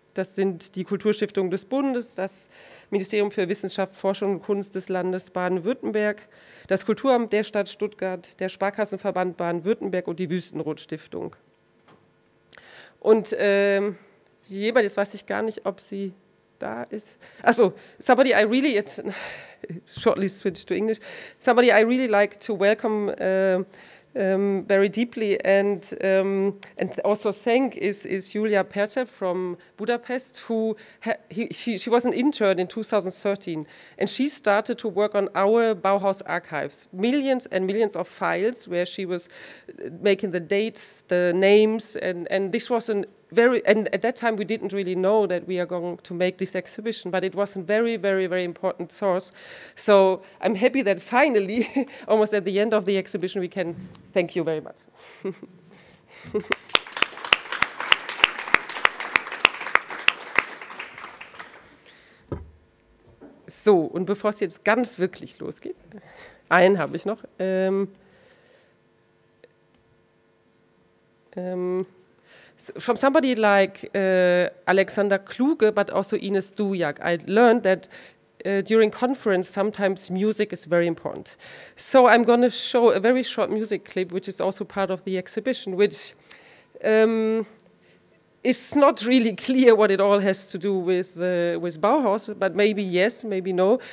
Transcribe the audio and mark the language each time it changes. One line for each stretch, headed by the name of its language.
German: Das sind die Kulturstiftung des Bundes, das Ministerium für Wissenschaft, Forschung und Kunst des Landes Baden-Württemberg, das Kulturamt der Stadt Stuttgart, der Sparkassenverband Baden-Württemberg und die Wüstenrot-Stiftung. Und jemand, jetzt weiß ich gar nicht, ob sie da ist.
English: Achso, somebody I really, it, shortly switch to English, somebody I really like to welcome very deeply and also thank is Julia Percev from Budapest, who was an intern in 2013, and she started to work on our Bauhaus archives, millions and millions of files where she was making the dates, the names, and this was an very, and at that time we didn't really know that we are going to make this exhibition, but it was a very, very, very important source. So I'm happy that finally, almost at the end of the exhibition, we can thank you very much.
German: So, und bevor es jetzt ganz wirklich losgeht, einen habe ich noch.
English: From somebody like Alexander Kluge, but also Ines Dujak, I learned that during conference, sometimes music is very important. So I'm going to show a very short music clip, which is also part of the exhibition, which is not really clear what it all has to do with Bauhaus, but maybe yes, maybe no.